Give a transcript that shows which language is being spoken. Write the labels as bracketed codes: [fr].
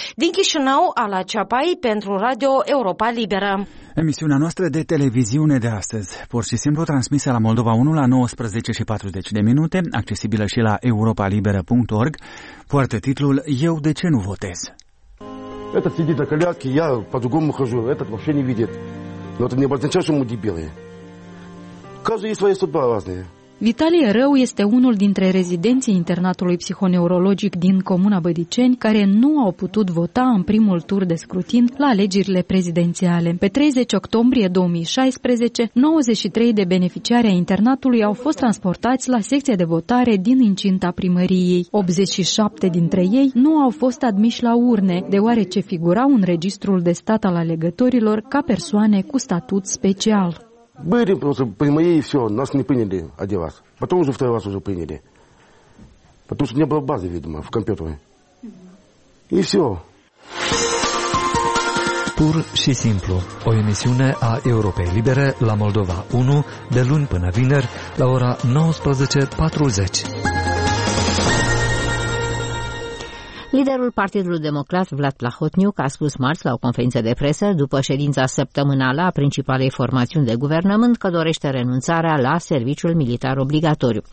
[ro] Din Chișinău, Ala Ceapai, pentru Radio Europa Liberă. Emisiunea noastră de televiziune de astăzi, pur și simplu transmisă la Moldova 1 la 19:40 de minute, accesibilă și la europalibera.org, poartă titlul Eu de ce nu votez? [ru] Этот сидит на коляске, я по другому хожу, этот вообще не видит. Но это не обозначает, что ему дебилы. Каждый есть своя судьба разная. [ro] Vitalie Rău este unul dintre rezidenții internatului psihoneurologic din comuna Bădiceni care nu au putut vota în primul tur de scrutin la alegerile prezidențiale. Pe 30 octombrie 2016, 93 de beneficiari ai internatului au fost transportați la secția de votare din incinta primăriei. 87 dintre ei nu au fost admiși la urne, deoarece figurau în registrul de stat al alegătorilor ca persoane cu statut special. [ru] Были просто прямые и все, нас не приняли один раз. Потом уже второй раз уже приняли. Потому что не было базы, видимо, в компьютере. И все. [ro] Pur și simplu, o emisiune a Europei Libere la Moldova 1, de luni până vineri, la ora 19:40. Liderul Partidului Democrat, Vlad Plahotniuc, a spus marți la o conferință de presă, după ședința săptămânală a principalei formațiuni de guvernământ, că dorește renunțarea la serviciul militar obligatoriu.